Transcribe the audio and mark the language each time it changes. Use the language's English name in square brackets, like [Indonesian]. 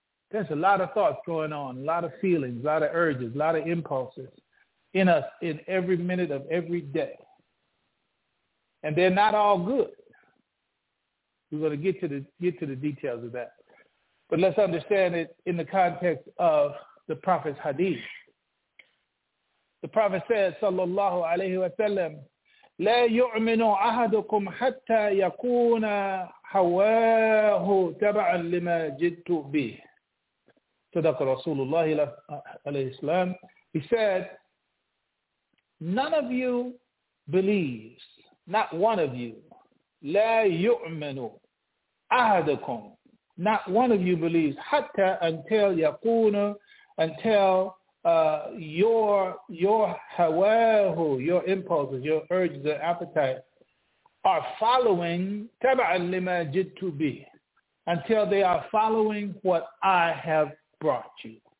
[English] There's a lot of thoughts going on, a lot of feelings, a lot of urges, a lot of impulses in us in every minute of every day. And they're not all good. We're going to get to the details of that. But let's understand it in the context of the Prophet's hadith. The Prophet says, [Arabic] sallallahu alayhi wa sallam, لا يؤمن أحدكم حتى يكون هواه تبعا لما جئت به. صدق رسول الله عليه السلام. [English] He said, none of you believes, not one of you, [Arabic] لا يؤمن أحدكم, [English] not one of you believes, حتى until يكون, until your hawahu, your impulses, your urges, your appetite are following taba'an lima jidtu bi, until they are following what I have brought you.